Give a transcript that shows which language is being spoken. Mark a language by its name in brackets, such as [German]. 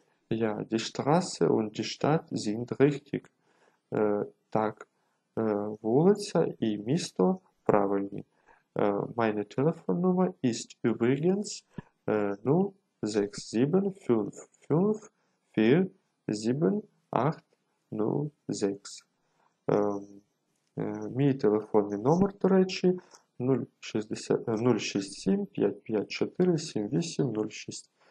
[German] Ja, die Straße und die Stadt sind richtig. [Ukrainian] Так, вулиця і місто правильні. [German] Meine Telefonnummer ist übrigens 067554 7806. [Ukrainian] Мій телефонний номер, до речі, 067554 7806.